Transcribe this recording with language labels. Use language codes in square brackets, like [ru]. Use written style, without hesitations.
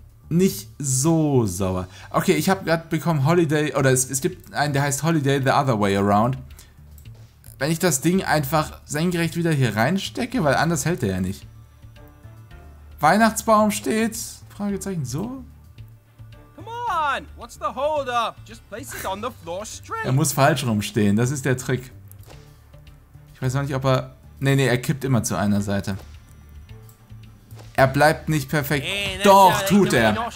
[de] nicht so sauer. Okay, ich habe gerade bekommen Holiday, oder es gibt einen, der heißt Holiday the Other Way Around. Wenn ich das Ding einfach senkrecht wieder hier reinstecke, weil anders hält der ja nicht. Weihnachtsbaum steht, Fragezeichen, so? [en] Come on, what's the hold up? Just place it on the floor straight. [de] Er muss falsch rumstehen, das ist der Trick. Ich weiß noch nicht, ob er... Nee, er kippt immer zu einer Seite. Er bleibt nicht perfekt. Hey, doch, tut er.